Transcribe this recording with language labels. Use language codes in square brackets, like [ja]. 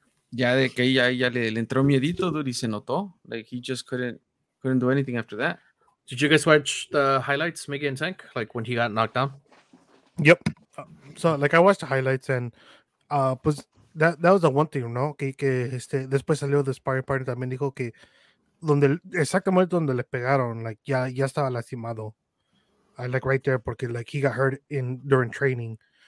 [es] Ya le entró miedito, dude, y se notó. [en] Like, he just couldn't do anything after that. Did you guys watch the highlights, Miguel and Tank? Like, when he got knocked down? Yep. So, like, I watched the highlights, and [es] pues, [en] that was the one thing, ¿no? [es] Que este, después salió de sparring partner, también dijo que donde, exactamente donde le pegaron, [en] like, [es] ya estaba lastimado. [en] Like, right there, [es] porque, [en] like, he got hurt during training.